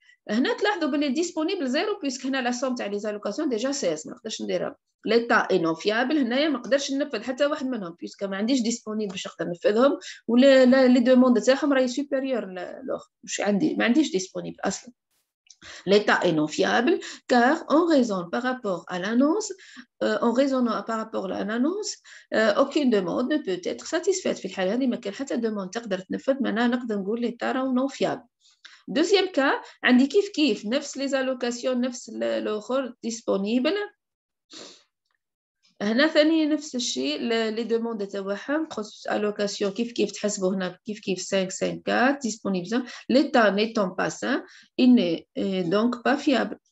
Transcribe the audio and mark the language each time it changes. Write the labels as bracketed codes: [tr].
[ar] هنا تلاحظوا بلي ديسپونيبل 0 بيسك هنا لا سوم تاع لي زالوكاسيون ديجا 16 ما نقدرش نديرها. ليتا انو فيابل هنايا ما نقدرش ننفذ حتى واحد منهم بيسك ما عنديش ديسپونيبل باش نقدر ننفذهم، ولا لي دوموند تاعهم راهي سوبيريور لوخ واش عندي ما عنديش ديسپونيبل اصلا. [fr] L'état est non fiable car on raisonne par rapport à l'annonce, en raisonnant par rapport à l'annonce, aucune demande ne peut être satisfaite. [ar] في الحالة هذه ما كان حتى demande تقدر تنفذ، معناها نقدر نقول [fr] l'état est non fiable. Deuxième cas, [ar] عندي كيف كيف نفس [fr] les allocations [ar] نفس الاخر disponible. هنا ثاني نفس الشيء لي دوموند تاعهم خصوص الوكاسيون كيف كيف تحسبوا هنا كيف كيف 5 5 4 ديسپونيبل [fr] ليتا نيتون با سان ان دونك با فيابل.